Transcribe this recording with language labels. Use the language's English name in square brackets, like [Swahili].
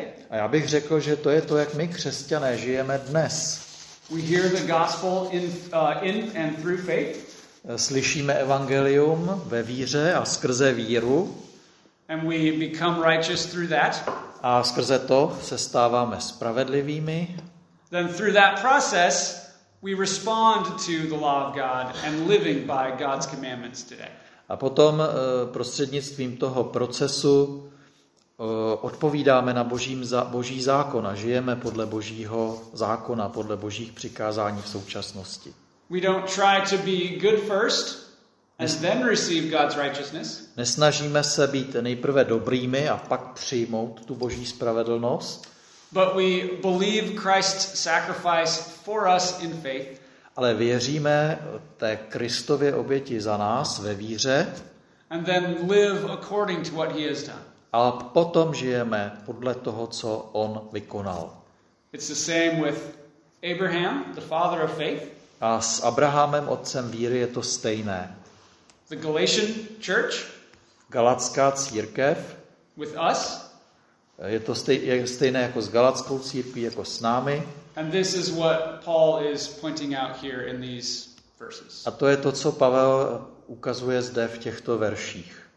[Czech] A já bych řekl, že to je to, jak my křesťané žijeme dnes. [English] We hear the gospel in and through faith. [Czech] Slyšíme evangelium ve víře a skrze víru. [English] And we become righteous through that. [Czech] A skrze to se stáváme spravedlivými. [English] Then through that process we respond to the law of God and living by God's commandments today. [Czech] A potom prostřednictvím toho procesu odpovídáme na Boží zákon a žijeme podle Božího zákona, podle Božích přikázání v současnosti. [English] We don't try to be good first and then receive God's righteousness. [Czech] Nesnažíme se být nejprve dobrými a pak přijmout tu Boží spravedlnost. [English] But we believe Christ's sacrifice for us in faith. [Czech] Ale věříme té Kristově oběti za nás ve víře. [English] And then live according to what he has done. [Czech] A potom žijeme podle toho, co on vykonal. [English] It's the same with Abraham, the father of faith. [Czech] A s Abrahamem, otcem víry, je to stejné. [English] The Galatian church. [Czech] Galatská církev. [English] With us. [Czech] Je to stejné jako s Galatskou církví, jako s námi. [English] And this is what Paul is pointing out here in these verses. [Czech] A to je to, co Pavel ukazuje zde v těchto verších.